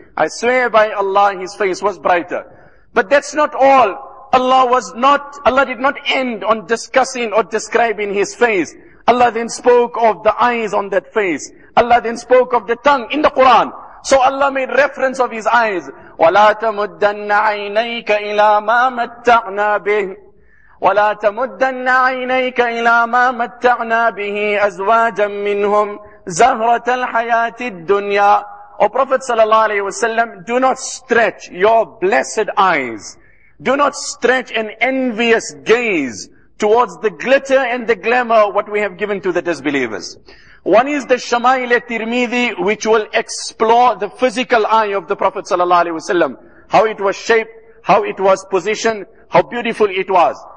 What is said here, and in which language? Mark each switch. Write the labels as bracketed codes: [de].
[en] I swear by Allah, his face was brighter. But that's not all. Allah did not end on discussing or describing his face. Allah then spoke of the eyes on that face. Allah then spoke of the tongue in the Quran. So Allah made reference of his eyes. [ar] وَلَا تَمُدَّنَّ عَيْنَيْكَ إِلَىٰ مَا مَتَّعْنَا بِهِ وَلَا تَمُدَّنَّ عَيْنَيْكَ إِلَىٰ مَا مَتَّعْنَا بِهِ أَزْوَاجًا مِّنْهُمْ زَهْرَةَ الْحَيَاةِ الدُّنْيَا [en] O Prophet sallallahu alayhi wa sallam, do not stretch your blessed eyes. Do not stretch an envious gaze towards the glitter and the glamour what we have given to the disbelievers. One is the Shama'il al-Tirmidhi, which will explore the physical eye of the Prophet sallallahu alayhi wa sallam. How it was shaped, how it was positioned, how beautiful it was.